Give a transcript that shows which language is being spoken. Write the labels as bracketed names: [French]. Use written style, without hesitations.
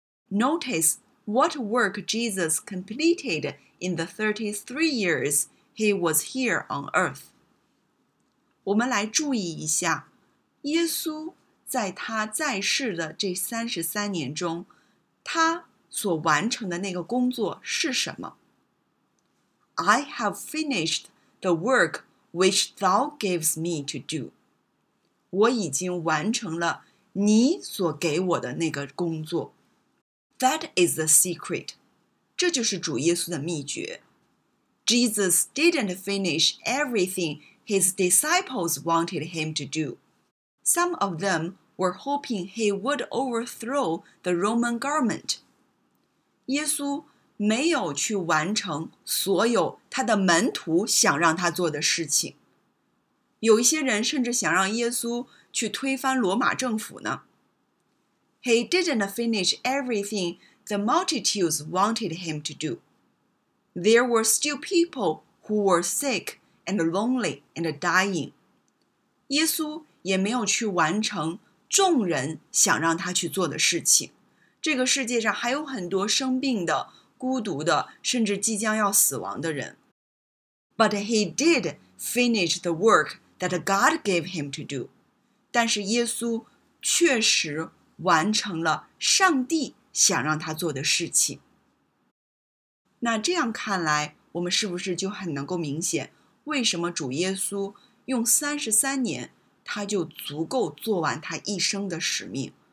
[English] Notice what work Jesus completed in the 33 years he was here on earth. [Chinese] 我们来注意一下，耶稣在他在世的这33年中，他所完成的那个工作是什么？ [English] I have finished the work which thou gives me to do. [Chinese] 我已经完成了你所给我的那个工作。 [English] That is the secret. [Chinese] 这就是主耶稣的秘诀。 [English] Jesus didn't finish everything his disciples wanted him to do. Some of them were hoping he would overthrow the Roman government. [Chinese] 耶稣没有去完成所有他的门徒想让他做的事情。有一些人甚至想让耶稣去推翻罗马政府呢。 [English] He didn't finish everything the multitudes wanted him to do. There were still people who were sick and lonely and dying. [Chinese] 耶稣也没有去完成众人想让他去做的事情。这个世界上还有很多生病的、孤独的，甚至即将要死亡的人。 [English] But he did finish the work that God gave him to do. [Chinese] 但是耶稣确实完成了上帝想让他做的事情。那这样看来，我们是不是就很能够明显，为什么主耶稣用33年，他就足够做完他一生的使命。